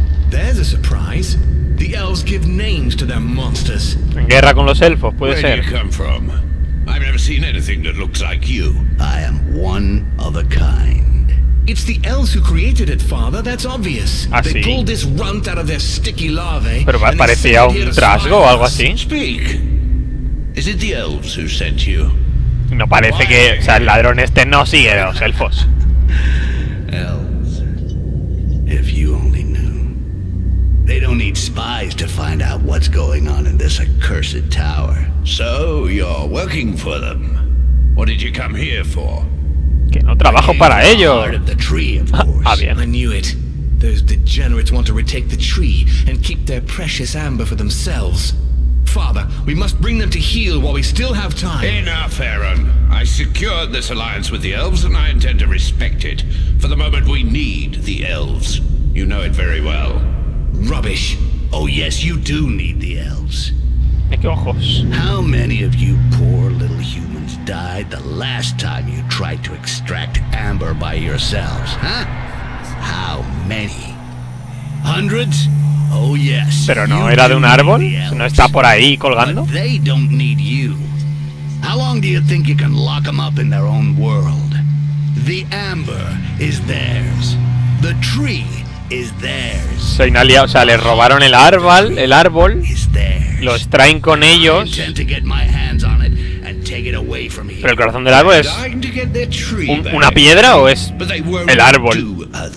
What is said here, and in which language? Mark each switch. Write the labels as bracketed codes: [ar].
[en] There's a surprise. The elves give names to their monsters. [es] En guerra con los elfos, puede [en] Where [es] ser. [en] Where do you come from? I've never seen anything that looks like you. I am one of a kind. It's the elves who created it, father. That's obvious. [es] ¿Ah, sí? [en] They pulled this runt out of their sticky larvae. [es] Pero me parecía un trasgo o algo así. [en] Speak. Is it the elves who sent you? [es] No parece que, o sea, el ladrón este no sigue de los elfos. [en] Elves. If you only knew. They don't need spies to find out what's going on in this accursed tower. So you're working for them. What did you come here for? [es] Que no trabajo para ello. Ah, bien. [en] I knew it. Those degenerates want to retake the tree and keep their precious amber for themselves. Father, we must bring them to heal while we still have time. Enough, Aaron. I secured this alliance with the elves and I intend to respect it. For the moment, we need the elves. You know it very well. Rubbish. Oh yes, you do need the elves. [es] ¿Qué ojos? [en] How many of you poor little humans died the last time you tried to extract amber by yourselves, huh? How many? Hundreds? Oh yes. [es] Pero no era de un árbol, no está por ahí colgando. [en] But they don't need you. How long do you think you can lock them up in their own world? The amber is theirs. The tree is theirs. [es] Soy una liada, o sea, les robaron el árbol. Los traen con ellos. Pero el corazón del árbol es una piedra o es el árbol.